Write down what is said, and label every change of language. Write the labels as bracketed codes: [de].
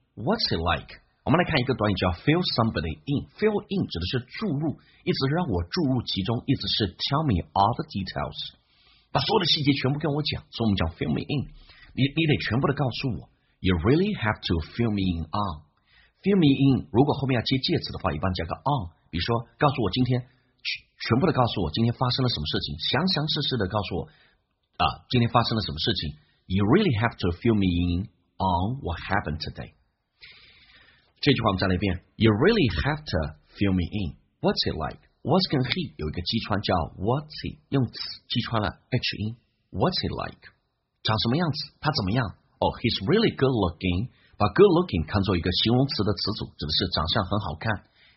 [en] What's it like? [zh] 我们来看一个短语叫 fill somebody in. Fill in 指的是注入，意思是让我注入其中，意思是 [en] tell me all the details， [zh] 把所有的细节全部跟我讲。所以我们讲 fill me in， 你得全部的告诉我。 [en] You really have to fill me in on. [zh] Fill me in 如果后面要接介词的话，一般加个 on。比如说，告诉我今天全部的告诉我今天发生了什么事情，详详实实的告诉我啊，今天发生了什么事情。 [en] You really have to fill me in on what happened today. [zh] 这句话我们再来一遍 [en] You really have to fill me in What's it like? [zh] What's 跟 he 有一个击穿叫 What's he 用词击穿了 H 音 [en] What's he like? [zh] 长什么样子他怎么样 [en] Oh, he's really good looking [zh] 把 good looking 看作一个形容词的词组指的是长相很好看